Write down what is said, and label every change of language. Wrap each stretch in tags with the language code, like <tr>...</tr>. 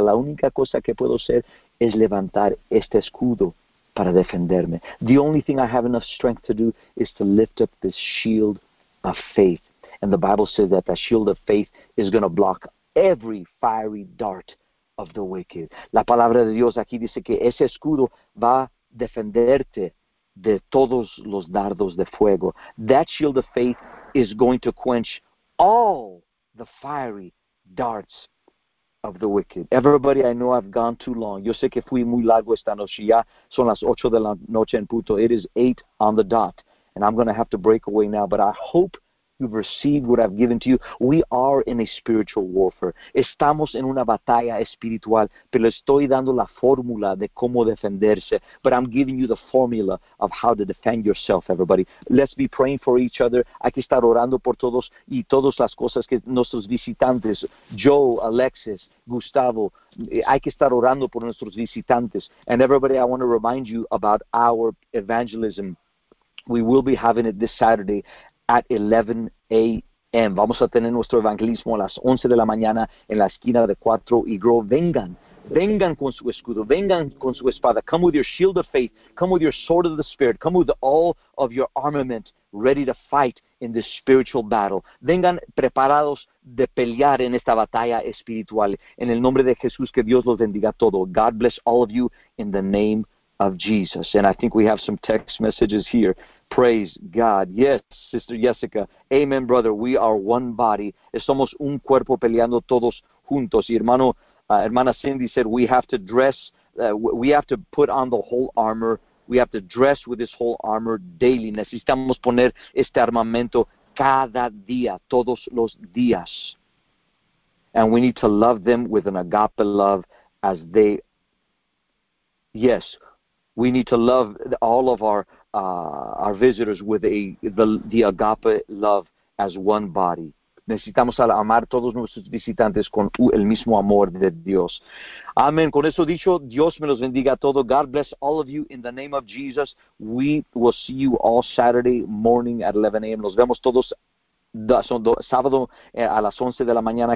<es>La única cosa que puedo hacer es levantar este escudo para defenderme.</es> <en>The only thing I have enough strength to do is to lift up this shield of faith. And the Bible says that the shield of faith is going to block every fiery dart of the wicked.</en> <es>La palabra de Dios aquí dice que ese escudo va a defenderte de todos los dardos de fuego.</es> <en>That shield of faith is going to quench all the fiery darts of the wicked. Everybody, I know I've gone too long.</en> <es>Yo sé que fui muy largo esta noche. Ya son las 8 de la noche en punto.</es> <en>It is 8 on the dot. And I'm going to have to break away now, but I hope you've received what I've given to you. We are in a spiritual warfare.</en> <es>Estamos en una batalla espiritual, pero estoy dando la fórmula de cómo defenderse.</es> <en>But I'm giving you the formula of how to defend yourself, everybody. Let's be praying for each other.</en> <es>Hay que estar orando por todos y todas las cosas que nuestros visitantes, Joe, Alexis, Gustavo, hay que estar orando por nuestros visitantes.</es> <en>And everybody, I want to remind you about our evangelism. We will be having it this Saturday at 11 a.m.</en> <es>Vamos a tener nuestro evangelismo a las 11 de la mañana en la esquina de 4 y Grove. Vengan, vengan con su escudo, vengan con su espada.</es> <en>Come with your shield of faith. Come with your sword of the Spirit. Come with all of your armament ready to fight in this spiritual battle.</en> <es>Vengan preparados de pelear en esta batalla espiritual. En el nombre de Jesús, que Dios los bendiga todo.</es> <en>God bless all of you in the name of Jesus. And I think we have some text messages here. Praise God. Yes, Sister Jessica. Amen, brother. We are one body.</en> <es>Somos un cuerpo peleando todos juntos. Y hermano, hermana</es> <en>Cindy said, we have to dress, we have to put on the whole armor. We have to dress with this whole armor daily.</en> <es>Necesitamos poner este armamento cada día, todos los días.</es> <en>And we need to love them with an agape love as they, yes, we need to love all of our visitors with the agape love as one body.</en> <es>Necesitamos amar todos nuestros visitantes con el mismo amor de Dios. Amen. Con eso dicho, Dios me los bendiga a todos.</es> <en>God bless all of you in the name of Jesus. We will see you all Saturday morning at 11 a.m.</en> <es>Los vemos todos sábado a las 11 de la mañana.</es>